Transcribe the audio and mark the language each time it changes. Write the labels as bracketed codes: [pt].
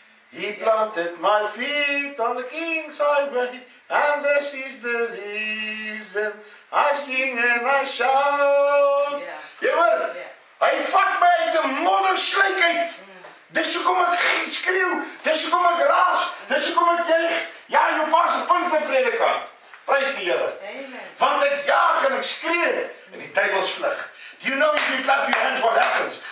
[en] He planted my feet on the King's Highway, and this is the reason I sing and I shout. Yeah. [af] Hy vat my uit 'n modderslyk uit. Dis hoekom ek skreeu, dis hoekom ek raas, dis hoekom ek juig. Ja, jou pas op punt van predikant. Prys die Here. Amen. Want ek jaag en ek skree en die duiwels vlug. [en] Do you know if you clap your hands what happens?